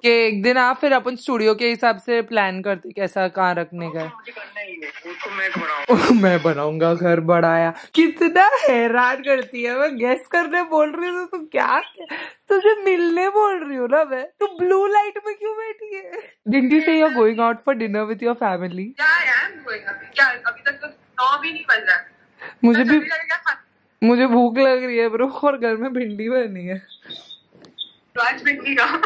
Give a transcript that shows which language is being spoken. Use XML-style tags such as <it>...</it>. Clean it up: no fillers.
<hi>के एक दिन आप फिर अपन स्टूडियो के हिसाब से प्लान करते कैसा कहाँ रखने का है. उसको मैं बनाऊं. मैं बनाऊंगा घर बढ़ाया. कितना हैरान करती है, मैं गेस करने बोल रही हूँ तो तू क्या, तुझे मिलने बोल रही हूँ ना मैं, तू ब्लू लाइट में क्यों बैठी है?</hi> <en>Didn't you say you're going out for dinner with your family? Yeah, I am going out.</en> <hi>क्या अभी तक तो 9 भी नहीं बज रहा है. मुझे भी मुझे भूख लग रही है ब्रो, और घर में भिंडी बननी है. आज भिंडी का</hi>